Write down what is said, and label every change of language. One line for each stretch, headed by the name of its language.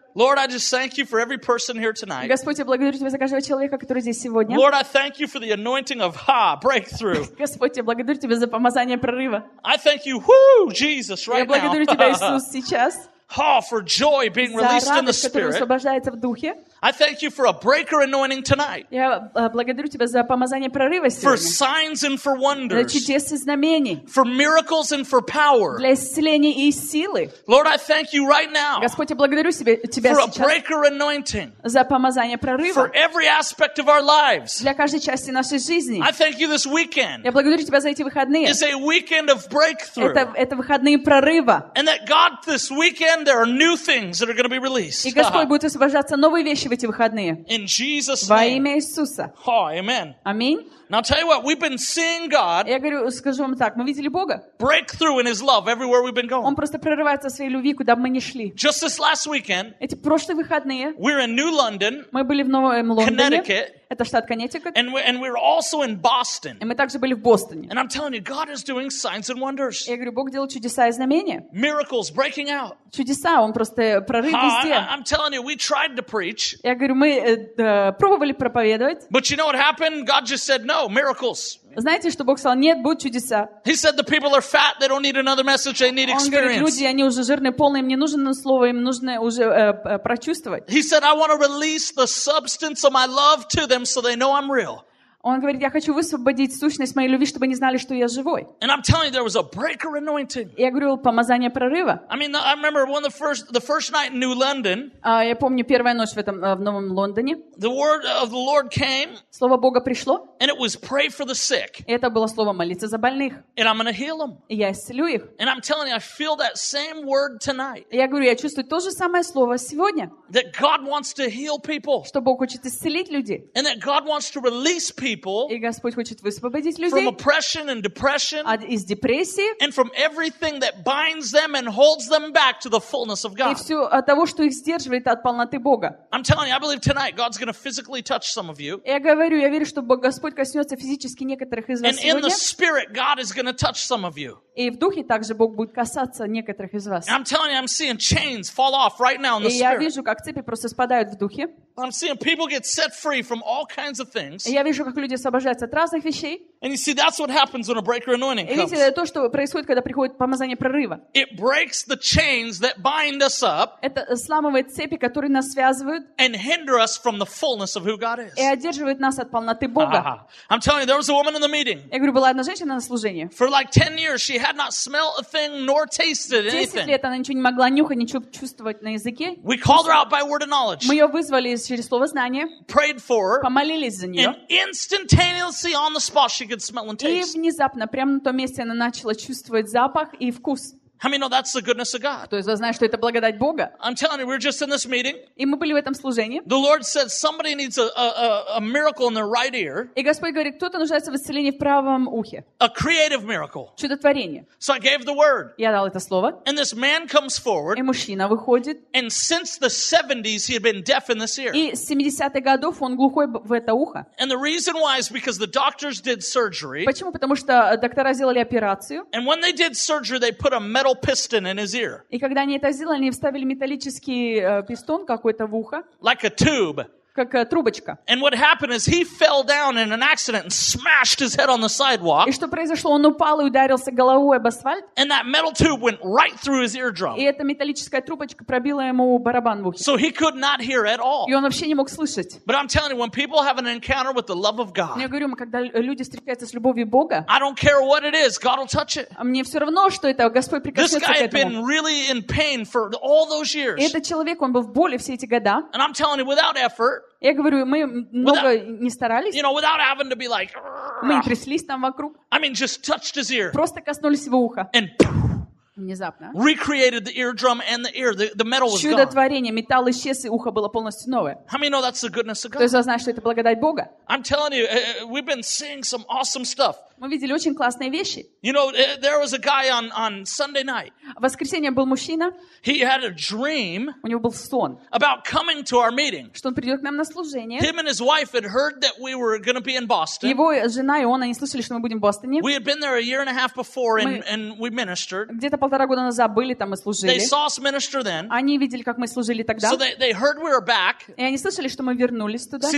English: Lord, I just thank you for every person here tonight.
Russian: Господь, я благодарю тебя за каждого человека, который здесь сегодня.
English: Lord, I thank you for the anointing of ha breakthrough.
Russian: Господь, я благодарю тебя за помазание прорыва.
English: I thank you, whoo, Jesus, right now.
Russian: Я благодарю тебя, Иисус, сейчас.
English: Ha, for joy being released in the Spirit.
Russian: За радость, которая освобождается в духе.
English: I thank you for a breaker anointing tonight.
Russian: Я благодарю тебя за помазание прорыва сегодня.
English: For signs and for wonders.
Russian: Для чудес и знамений.
English: For miracles and for power.
Russian: Для исцеления и силы.
English: Lord, I thank you right now.
Russian: Господь, я благодарю тебя сейчас.
English: For a breaker anointing.
Russian: За помазание прорыва.
English: For every aspect of our lives.
Russian: Для каждой части нашей жизни.
English: I thank you this weekend.
Russian: Я благодарю тебя за эти выходные.
English: Is a weekend of breakthrough.
Russian: Это выходные прорыва.
English: And that God, this weekend there are new things that are going to be released.
Russian: И Господь будет освобождаться новые вещи. В эти выходные.
English: In Jesus' name.
Russian: Во имя Иисуса.
English: Oh, amen.
Russian: Аминь.
English: Now I'll tell you what, we've been seeing God.
Russian: Я говорю, скажу вам так, мы видели Бога.
English: Breakthrough in His love everywhere we've been going.
Russian: Он просто прорывается в своей любви, куда бы мы ни шли.
English: Just this last weekend.
Russian: Эти прошлые выходные.
English: We're in New London.
Russian: Мы были в Новом Лондоне.
English: Connecticut.
Russian: Это штат Коннектикут.
English: And we're also in Boston.
Russian: И мы также были в Бостоне.
English: And I'm telling you, God is doing signs and wonders.
Russian: Я говорю, Бог делает чудеса и знамения.
English: Miracles breaking out.
Russian: Чудеса, он просто прорыв везде.
English: I'm telling you, we tried to preach.
Russian: Я говорю, мы пробовали проповедовать.
English: But you know what happened? God just said no. No, miracles.
Russian: Знаете, что Бог сказал? Нет, будут чудеса.
English: He said the people are fat, they don't need another message, they need experience.
Russian: Он говорит, люди, они уже жирные, полные, им не нужно слово, им нужно уже прочувствовать.
English: He said, I want to release the substance of my love to them so they know I'm real.
Russian: Он говорит, я хочу высвободить сущность моей любви, чтобы они знали, что я живой.
English: And I'm telling you, there was a breaker anointing.
Russian: Я говорю, помазание прорыва.
English: I mean, I remember one of the first night in New London.
Russian: Я помню первая ночь в этом в Новом Лондоне.
English: The word of the Lord came.
Russian: Слово Бога пришло.
English: And it was pray for the sick.
Russian: И это было слово молиться за больных.
English: And I'm going to heal them.
Russian: И я исцелю их.
English: And I'm telling you, I feel that same word tonight.
Russian: Я говорю, я чувствую то же самое слово сегодня.
English: That God wants to heal people.
Russian: Что Бог хочет исцелить людей.
English: And that God wants to release people.
Russian: И Господь хочет высвободить людей
English: from oppression and depression,
Russian: из депрессии
English: and from everything that binds them and holds them back to the fullness of God.
Russian: И все от того, что их сдерживает от полноты Бога.
English: I'm telling you, I believe tonight God's going to physically touch some of you.
Russian: Я говорю, я верю, что Господь коснется физически некоторых из вас сегодня.
English: And in the spirit, God is going to touch some of you.
Russian: И в духе также Бог будет касаться некоторых из вас.
English: I'm telling you, I'm seeing chains fall off right now in the spirit.
Russian: И я вижу, как цепи просто спадают в духе.
English: I'm seeing people get set free from all kinds of things.
Russian: Я вижу, как люди освобождаются от разных вещей.
English: And you see, that's what happens when a breaker anointing comes.
Russian: И видите, это то, что происходит, когда приходит помазание прорыва.
English: It breaks the chains that bind us up.
Russian: Это сламывает цепи, которые нас связывают.
English: And hinder us from the fullness of who God is.
Russian: И одерживает нас от полноты Бога.
English: I'm telling you, there was a woman in the meeting.
Russian: Я говорю, была одна женщина на служении.
English: For like 10 years, she had not smelled a thing nor tasted anything.
Russian: 10 лет она ничего не могла нюхать, ничего чувствовать на языке.
English: We called her out by word of knowledge.
Russian: Мы ее вызвали через слово знание.
English: Prayed for her.
Russian: Помолились за нее.
English: And instantaneously on the spot she could smell and taste.
Russian: И внезапно, прямо на том месте она начала чувствовать запах и вкус.
English: How many know that's the goodness of God?
Russian: Кто из вас знает, что это благодать Бога?
English: I'm telling you, we were just in this meeting.
Russian: И мы были в этом служении.
English: The Lord said somebody needs a miracle in their right ear.
Russian: И Господь говорит, кто-то нуждается в исцелении в правом ухе.
English: A creative miracle.
Russian: Чудотворение.
English: So I gave the word.
Russian: Я дал это слово.
English: And this man comes forward.
Russian: И мужчина выходит.
English: And since the 70s he had been deaf in this ear.
Russian: И с 70-х годов он глухой в это ухо.
English: And the reason why is because the doctors did surgery.
Russian: Почему? Потому что доктора сделали операцию.
English: And when they did surgery, they put a metal piston in his ear.
Russian: И когда они это сделали, они вставили металлический пистон какой-то в ухо.
English: Like a tube.
Russian: Как трубочка.
English: And what happened is he fell down in an accident and smashed his head on the sidewalk.
Russian: И что произошло? Он упал и ударился головой об асфальт.
English: And that metal tube went right through his eardrum.
Russian: И эта металлическая трубочка пробила ему барабан в ухе.
English: So he could not hear at all.
Russian: И он вообще не мог слышать.
English: But I'm telling you, when people have an encounter with the love of God.
Russian: Я говорю, когда люди встречаются с любовью Бога.
English: I don't care what it is, God will touch it.
Russian: Мне все равно, что это, Господь прикоснется к этому.
English: This guy had been really in pain for all those years.
Russian: И этот человек, он был в боли все эти года.
English: And I'm telling you, without effort.
Russian: Я говорю, мы много
English: without,
Russian: не старались.
English: You know, without having to be like,
Russian: мы не тряслись там вокруг.
English: I mean, just touched his ear.
Russian: Просто коснулись его уха.
English: And
Russian: внезапно.
English: Recreated the eardrum and the ear. The metal was
Russian: чудотворение.
English: Gone.
Russian: Металл исчез, и ухо было полностью новое.
English: How many know that's the goodness of God?
Russian: Кто из вас знает, что это благодать Бога?
English: I'm telling you, we've been seeing some awesome stuff.
Russian: Мы видели очень классные вещи.
English: You know, there was a guy on Sunday night.
Russian: В воскресенье был мужчина.
English: He had a dream.
Russian: У него был сон.
English: About coming to our meeting.
Russian: Что он придет к нам на служение.
English: Him and his wife had heard that we were going to be in Boston.
Russian: Его жена и он, они слышали, что мы будем в Бостоне.
English: We had been there a year and a half before and we ministered.
Russian: Где-то полтора года назад были там и служили.
English: They saw us minister then.
Russian: Они видели, как мы служили тогда.
English: So they heard we were back.
Russian: И они слышали, что мы вернулись туда.